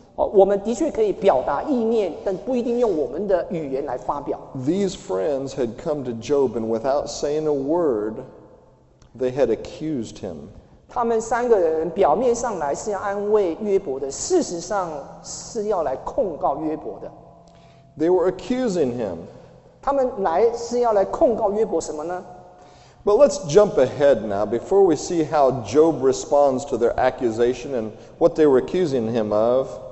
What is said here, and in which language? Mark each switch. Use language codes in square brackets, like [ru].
[zh] 我们的确可以表达意念，但不一定用我们的语言来发表。 [en] These friends had come to Job, and without saying a word, they had accused him. [zh] 他们三个人表面上来是要安慰约伯的，事实上是要来控告约伯的。 [en] They were accusing him. [zh] 他们来是要来控告约伯什么呢？ [en] But let's jump ahead now before we see how Job responds to their accusation and what they were accusing him of.